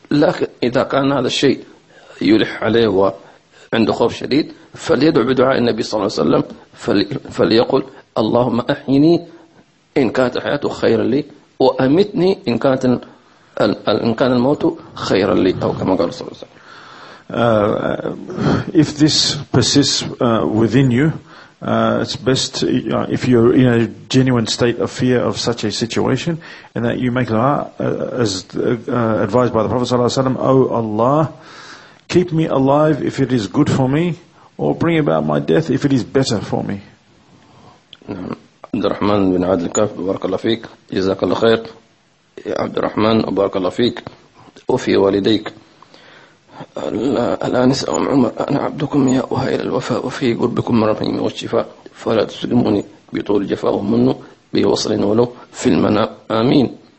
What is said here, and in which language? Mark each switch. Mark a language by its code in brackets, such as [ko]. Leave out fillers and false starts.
[ar] لكن إذا كان هذا الشيء يلح عليه وعنده خوف شديد فليدعو بدعاء النبي صلى الله عليه وسلم فليقول اللهم أحيني إن كانت حياته خيرا لي وأمتني إن كانت إن كان الموت خيرا لي أو كما قال صلى الله عليه وسلم. [en] If this persists within you, it's best if you're in a genuine state of fear of such a situation, and that you make du'a as advised by the Prophet sallallahu alaihi wasallam, O Allah, keep me alive if it is good for me, or bring about my death if it is better for me. [ar] عبد الرحمن بن عاد الكاف بارك الله فيك جزاك الله خير يا عبد الرحمن بارك الله فيك وفي والديك. الآن سأل عمر أنا عبدكم يا أهيل الوفاء وفي قربكم من رحيم والشفاء فلا تسلموني بطول جفاء منه بوصل ولو في المنام آمين.